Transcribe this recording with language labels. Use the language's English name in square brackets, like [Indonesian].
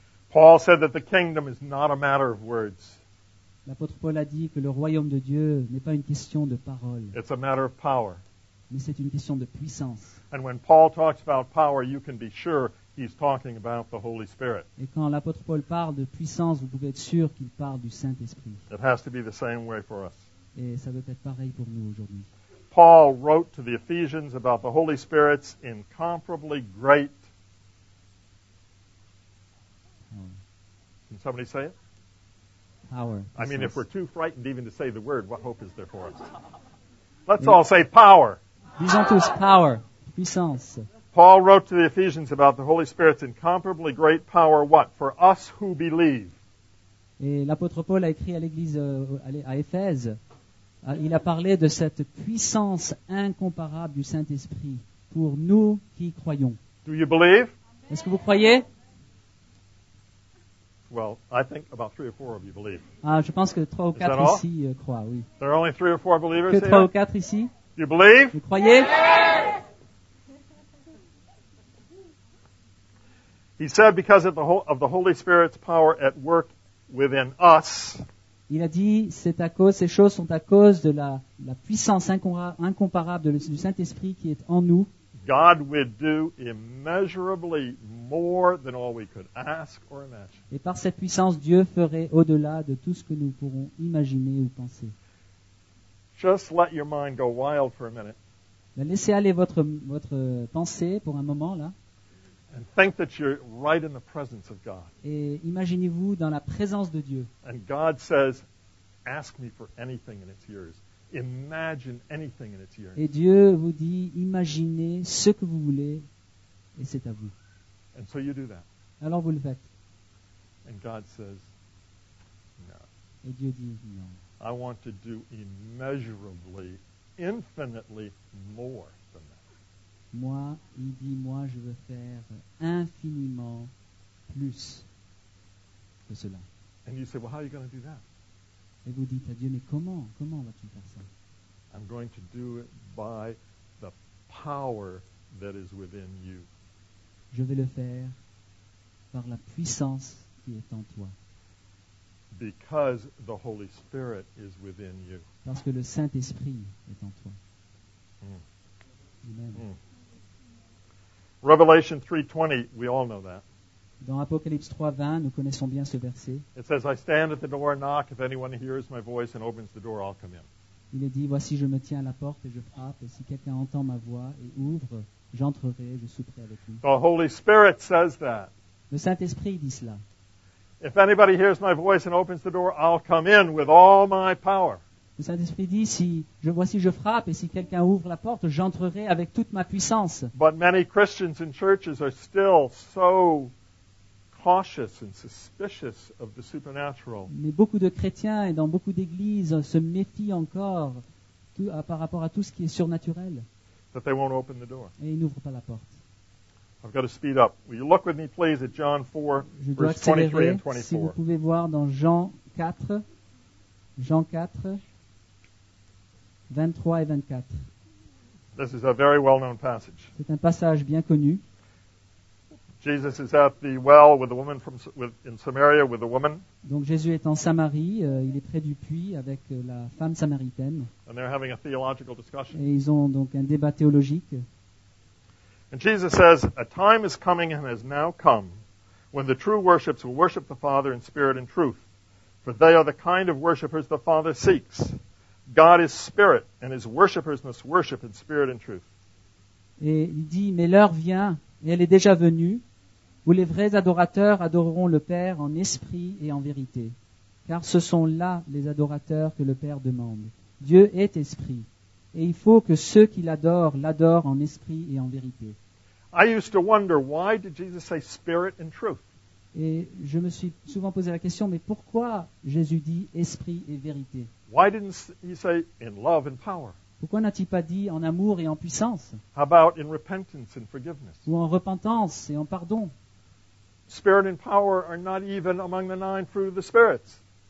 [English] Paul said that the kingdom is not a matter of words. [French] L'apôtre Paul a dit que le royaume de Dieu n'est pas une question de paroles. [English] It's a matter of power. [French] Mais c'est une question de puissance. [English] And when Paul talks about power, you can be sure he's talking about the Holy Spirit. [French] Et quand l'apôtre Paul parle de puissance, vous pouvez être sûr qu'il parle du Saint-Esprit. [English] It has to be the same way for us. [French] Et ça doit être pareil pour nous aujourd'hui. [English] Paul wrote to the Ephesians about the Holy Spirit's incomparably great. Can somebody say it? Power. I mean, if we're too frightened even to say the word, what hope is there for us? Let's all say power. [French] Disons tous power, puissance. [English] Paul wrote to the Ephesians about the Holy Spirit's incomparably great power, what? For us who believe. [French] Et l'apôtre Paul a écrit à l'église à Éphèse. Il a parlé de cette puissance incomparable du Saint-Esprit pour nous qui croyons. [English] Do you believe? [French] Est-ce que vous croyez? [English] Well, I think about three or four of you believe. [French] Je pense que trois ou quatre ici croient, oui. [English] There are only three or four believers [French] here? Que trois ou quatre ici? [English] Do you believe? [French] Vous croyez? [English] He said because of the Holy Spirit's power at work within us. [French] Il a dit, c'est à cause, ces choses sont à cause de la puissance incomparable du Saint-Esprit qui est en nous. [English] God would do immeasurably more than all we could ask or imagine. [French] Et par cette puissance, Dieu ferait au-delà de tout ce que nous pourrons imaginer ou penser. [English] Just let your mind go wild for a minute. [French] Mais laissez aller votre pensée pour un moment là. [English] And think that you're right in the presence of God. [French] Et imaginez-vous dans la présence de Dieu. [English] And God says, ask me for anything and it's yours. Imagine anything and it's yours. [French] Et Dieu vous dit, imaginez ce que vous voulez et c'est à vous. [English] And so you do that. [French] Alors vous le faites. [English] And God says, no. [French] Et Dieu dit, non. [English] I want to do immeasurably, infinitely more. [French] Moi, il dit, moi, je veux faire infiniment plus que cela. [English] And you say, well, how are you going to do that? [French] Et vous dites à Dieu, mais comment vas-tu faire ça? [English] I'm going to do it by the power that is within you. [French] Je vais le faire par la puissance qui est en toi. [English] Because the Holy Spirit is within you. [French] Parce que le Saint-Esprit est en toi. [English] Amen. Revelation 3:20, we all know that. [French] Dans Apocalypse 3:20, nous connaissons bien ce verset. [English] It says, I stand at the door and knock. If anyone hears my voice and opens the door, I'll come in. [French] Il est dit, voici, je me tiens à la porte et je frappe. Et si quelqu'un entend ma voix et ouvre, j'entrerai et je souperai avec lui. [English] The Holy Spirit says that. [French] Le Saint-Esprit dit cela. [English] If anybody hears my voice and opens the door, I'll come in with all my power. [French] Le Saint-Esprit dit, si je vois si je frappe et si quelqu'un ouvre la porte, j'entrerai avec toute ma puissance. [English] But many Christians and churches are still so cautious and suspicious of the supernatural. [French] Mais beaucoup de chrétiens et dans beaucoup d'églises se méfient encore par rapport à tout ce qui est surnaturel. [English] That they won't open the door. [French] Et ils n'ouvrent pas la porte. [English] I've got to speed up. Will you look with me, please, at John 4, [French] je [English] verse 23 and 24. [French] Si vous pouvez voir dans Jean 4, 23 et 24. [English] This is a very well-known passage. [French] C'est un passage bien connu. [English] Jesus is at the well with the woman in Samaria with the woman. [French] Donc Jésus est en Samarie, il est près du puits avec la femme samaritaine. [English] And they're having a theological discussion. [French] Et ils ont donc un débat théologique. [English] And Jesus says, a time is coming and has now come when the true worshipers will worship the Father in spirit and truth, for they are the kind of worshipers the Father seeks. God is spirit, and his worshippers must worship in spirit and truth. [French] Et il dit, mais l'heure vient, et elle est déjà venue, où les vrais adorateurs adoreront le Père en esprit et en vérité. Car ce sont là les adorateurs que le Père demande. Dieu est esprit, et il faut que ceux qui l'adorent, l'adorent en esprit et en vérité. [English] I used to wonder, why did Jesus say spirit and truth? [French] Et je me suis souvent posé la question, mais pourquoi Jésus dit esprit et vérité? [English] Why didn't he say in love and power? [French] Pourquoi n'a-t-il pas dit en amour et en puissance? [English] How about in repentance and forgiveness? [French] Ou en repentance et en pardon? [English] Spirit and power are not even among the nine fruits of the spirits.